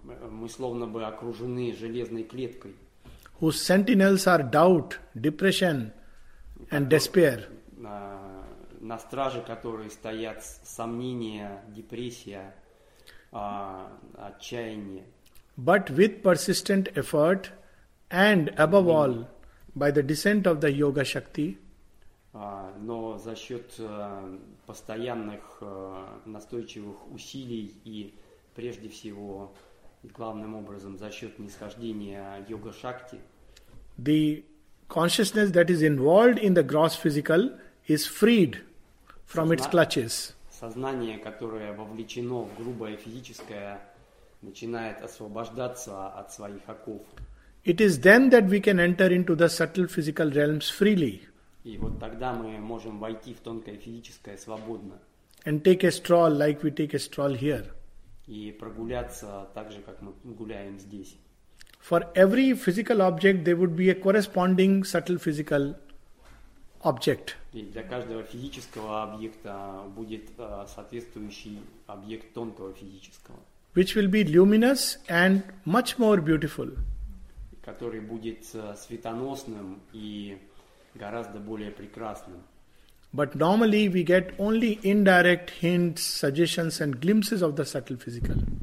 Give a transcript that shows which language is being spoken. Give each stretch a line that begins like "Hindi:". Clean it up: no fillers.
Russian: Мы словно бы окружены железной клеткой.
English: Whose sentinels are doubt, depression and despair.
Russian: На страже которой стоят сомнения, депрессия, отчаяние.
English: But with persistent effort and above all by the descent of the yoga shakti.
Russian: Но за счет постоянных настойчивых усилий и прежде всего, и главным образом, за счет нисхождения йога-шакти.
English: The consciousness that is involved in the gross physical is freed from its clutches.
Russian: Сознание, которое вовлечено в грубое физическое, начинает освобождаться от своих оков.
English: It is then that we can enter into the subtle physical realms freely.
Russian: И вот тогда мы можем войти в тонкое физическое свободно.
English: And take a stroll like we take a stroll here.
Russian: И прогуляться так же, как мы гуляем здесь.
English: For every physical object, there would be a corresponding subtle physical object.
Russian: И для каждого физического объекта будет соответствующий объект тонкого физического.
English: Which will be luminous and much more beautiful.
Russian: Который будет светоносным и гораздо более прекрасным.
English: But normally we get only indirect hints, suggestions and glimpses of the subtle physical.